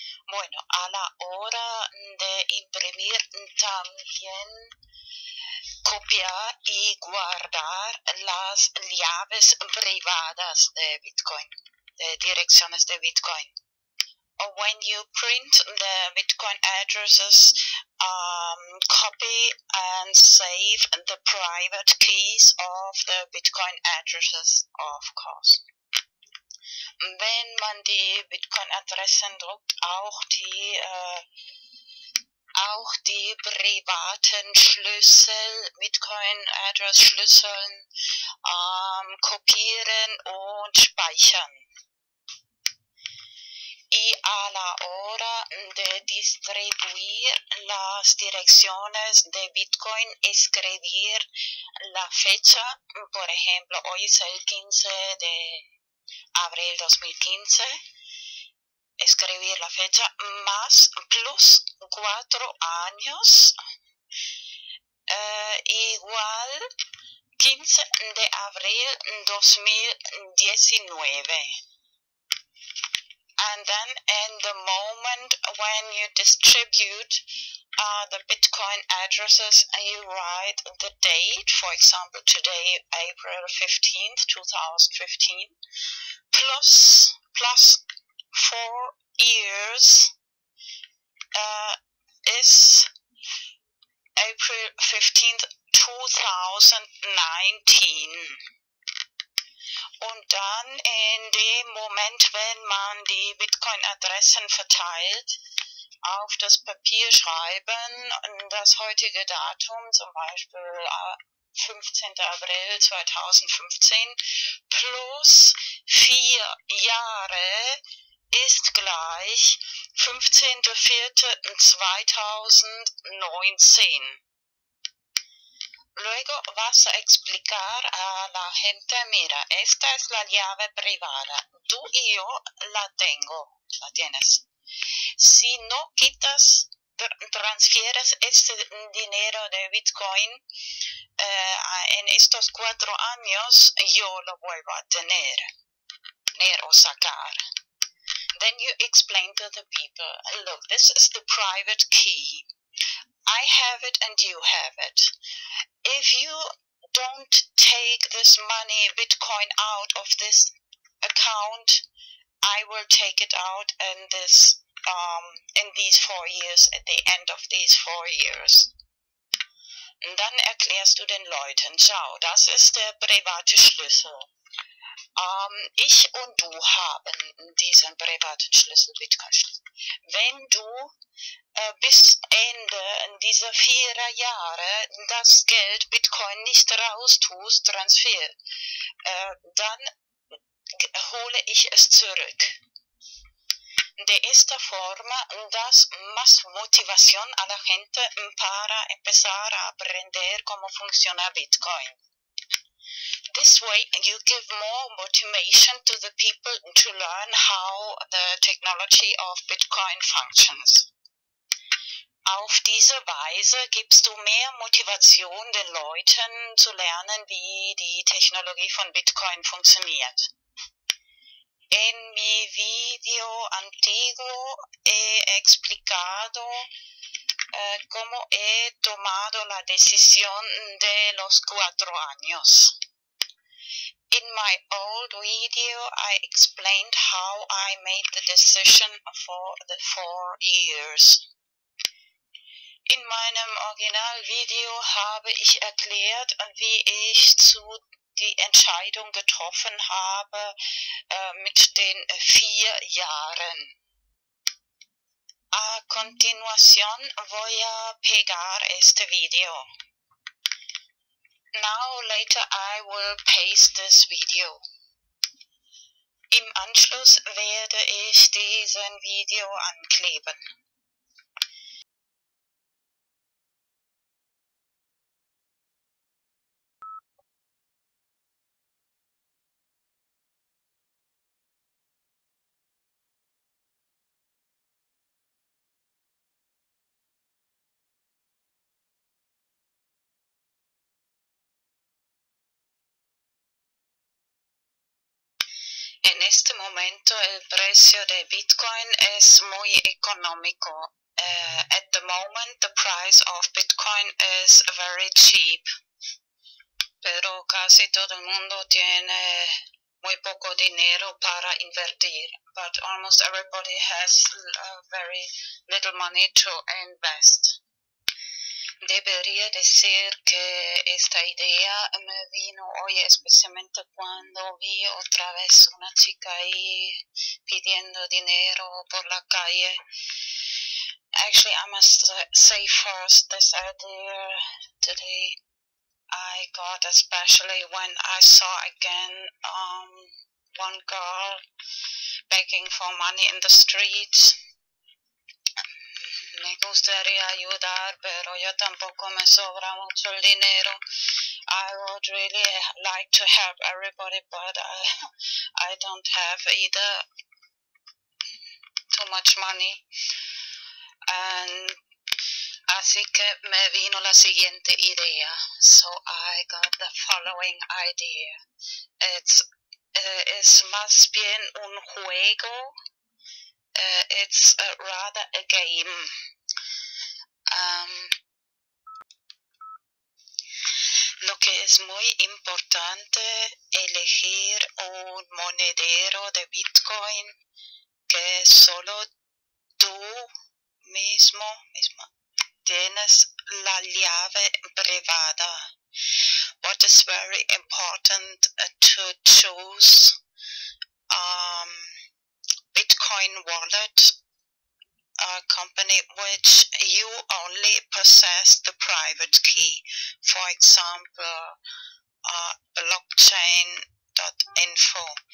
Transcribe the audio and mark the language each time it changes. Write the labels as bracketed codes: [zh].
[es] Bueno, a la hora de imprimir también copiar y guardar las llaves privadas de Bitcoin, de direcciones de Bitcoin. [en] Or when you print the Bitcoin addresses, copy and save the private keys of the Bitcoin addresses, of course. [de] Wenn man die Bitcoin-Adressen druckt, auch die privaten Schlüssel, Bitcoin-Address-Schlüsseln, kopieren und speichern. [es] Y a la hora de distribuir las direcciones de Bitcoin, escribir la fecha, por ejemplo, hoy es el 15 de abril 2015, escribir la fecha más plus 4 años, igual 15 de abril 2019. [en] And then in the moment when you distribute the Bitcoin addresses, you write the date, for example, today, April 15th, 2015, plus 4 years is April 15th, 2019. [de] Und dann in dem Moment, wenn man die Bitcoin-Adressen verteilt, auf das Papier schreiben, das heutige Datum, zum Beispiel 15. April 2015, plus 4 Jahre ist gleich 15.04.2019. [es] Luego vas a explicar a la gente, mira, esta es la llave privada. Tú y yo la tengo, la tienes. Si no quitas, transfieres este dinero de Bitcoin en estos 4 años, yo lo vuelvo a tener o sacar. [en] Then you explain to the people, look, this is the private key. I have it and you have it. If you don't take this money, Bitcoin, out of this account, I will take it out in this in these 4 years, at the end of these 4 years. [de] Und dann erklärst du den Leuten, schau, das ist der private Schlüssel. Ich und du haben diesen privaten Schlüssel, Bitcoin-Schlüssel. Wenn du bis Ende dieser 4 Jahre das Geld Bitcoin nicht raus tust, Transfer, dann hole ich es zurück. [es] De esta forma das más motivación a la gente para empezar a aprender cómo funciona Bitcoin. [en] This way, you give more motivation to the people to learn how the technology of Bitcoin functions. [de] Auf diese Weise gibst du mehr Motivation den Leuten zu lernen, wie die Technologie von Bitcoin funktioniert. [es] En mi video antiguo he explicado cómo he tomado la decisión de los 4 años. [en] In my old video, I explained how I made the decision for the 4 years. [de] In meinem Originalvideo habe ich erklärt, wie ich zu die Entscheidung getroffen habe mit den 4 Jahren. [es] A continuación voy a pegar este video. [en] Now later I will paste this video. [de] Im Anschluss werde ich diesen Video ankleben. [es] En este momento el precio de Bitcoin es muy económico. [en] At the moment the price of Bitcoin is very cheap. [es] Pero casi todo el mundo tiene muy poco dinero para invertir. [en] But almost everybody has very little money to invest. [es] Debería decir que esta idea me vino hoy especialmente cuando vi otra vez una chica ahí pidiendo dinero por la calle. [en] Actually, I must say first this idea today I got especially when I saw again one girl begging for money in the streets. [es] Me gustaría ayudar, pero yo tampoco me sobra mucho el dinero. [en] I would really like to help everybody, but I don't have either too much money. And [es] así que me vino la siguiente idea. [en] So I got the following idea. It's [es] más bien un juego. [en] It's rather a game. [es] Lo que es muy importante elegir un monedero de Bitcoin que solo tú mismo tienes la llave privada. [en] What is very important to choose Bitcoin wallet, a company which you only possess the private key, for example, blockchain.info.